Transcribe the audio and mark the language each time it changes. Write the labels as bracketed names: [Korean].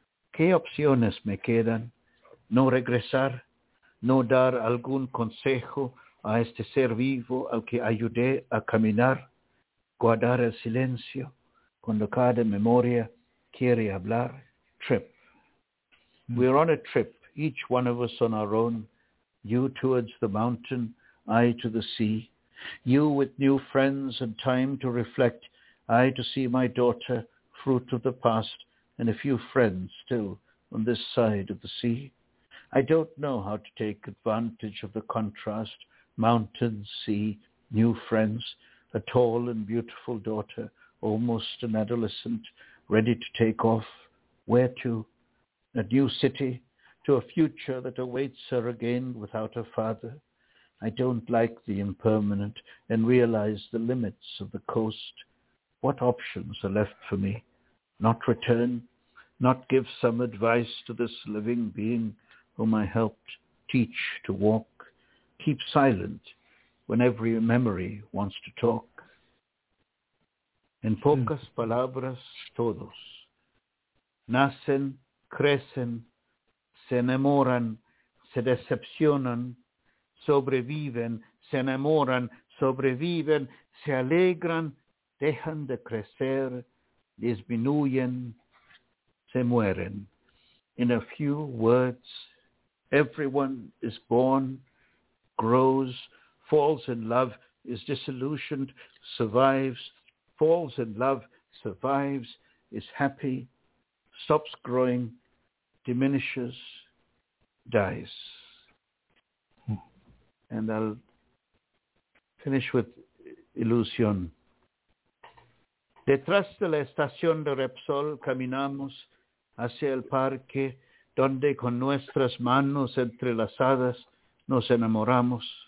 [Spanish] ¿Qué opciones me quedan? ¿No regresar? ¿No dar algún consejo a este ser vivo al que ayudé a caminar? ¿Guardar el silencio cuando cada memoria quiere hablar? [English] Trip. We're on a trip, each one of us on our own. You towards the mountain, I to the sea. You with new friends and time to reflect. I to see my daughter, fruit of the past, and a few friends still on this side of the sea. I don't know how to take advantage of the contrast. Mountain, sea, new friends, a tall and beautiful daughter, almost an adolescent, ready to take off. Where to? A new city, to a future that awaits her again without her father. I don't like the impermanent and realize the limits of the coast. What options are left for me? Not return? Not give some advice to this living being whom I helped teach to walk? Keep silent when every memory wants to talk? [Spanish] En pocas palabras, todos. Nacen, crecen, se enamoran, se decepcionan, sobreviven, se enamoran, sobreviven, se alegran, dejan de crecer, disminuyen, se mueren. [English] In a few words, everyone is born, grows, falls in love, is disillusioned, survives, falls in love, survives, is happy, stops growing, diminishes, dies. And I'll finish with ilusión. [Spanish] Detrás de la estación de Repsol caminamos hacia el parque donde con nuestras manos entrelazadas nos enamoramos.